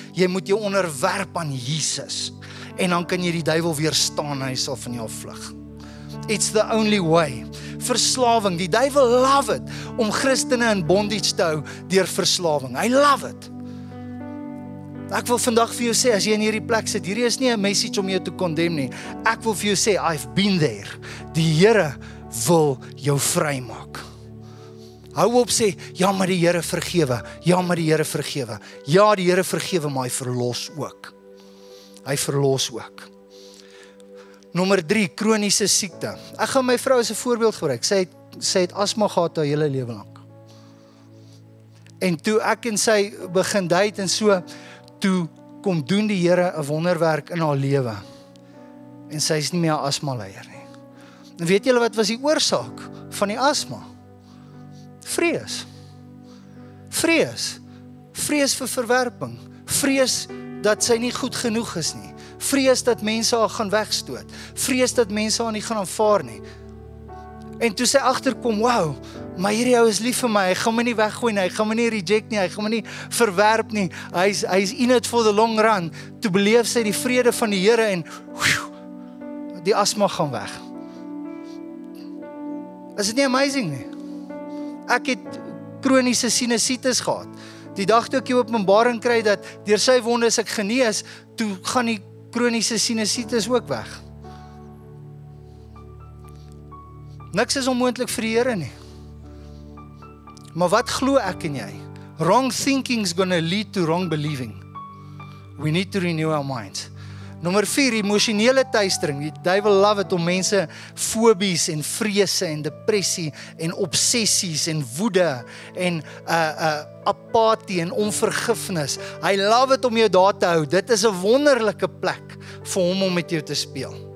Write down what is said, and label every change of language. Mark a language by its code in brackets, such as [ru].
[af] Jy moet jou onderwerp aan Jesus. En dan kan jy die duivel weerstaan, hy sal van jou vlug. [en] It's the only way. [af] Verslawing. Die duivel [en] love it [af] om Christene [en] in bondage [af] te hou deur verslawing. Hy [en] love it. [af] Ek wil vandag vir jou sê, as jy in hierdie plek sit, hierdie is nie 'n message om jou te condemn nie. Ek wil vir jou sê, [en] I've been there. [af] Die Here wil jou vrymaak. Hou op sê, ja, maar die Here vergewe. Ja, maar die Here vergewe. Ja, die Here vergewe, maar hy verlos ook. Hy verlos ook. Nommer 3, kroniese siekte. Ek gaan my vrou as 'n voorbeeld gebruik. Sy het asma gehad haar hele lewe lank. En toe ek en sy begin date en so, toe kom doen die Here 'n wonderwerk in haar lewe. En sy is nie meer 'n asmaleier nie. En weet julle wat was die oorsaak van die asma? Vrees. Vrees vir verwerping. Vrees dat sy nie goed genoeg is nie. Vrees dat mense haar gaan wegstoot. Vrees dat mense haar nie gaan aanvaar nie. En toe sy agterkom, wow, maar hierdie ou is lief vir my, hy gaan my nie weggooi nie, hy gaan my nie reject nie, hy gaan my nie verwerp nie, hy is [en] in it for the long run, [af] toe beleef sy die vrede van die Here en die asma gaan weg. Is dit nie amazing nie? Ek het kroniese sinusitis gehad. Die dag toe ek die openbaring kry dat deur sy wonde ek genees, toe gaan die kroniese sinusitis ook weg. Niks is onmoontlik vir die Here nie. Maar wat glo ek en jy? [en] Wrong thinking is going to lead to wrong believing. We need to renew our minds. [af] Nummer 4, emosionele tuistering. Die duivel love het om mense fobies en vrese en depressie en obsessies en woede en apatie en onvergifnis. Hy love het om jou daar te hou. Dit is 'n wonderlike plek vir hom om met jou te speel.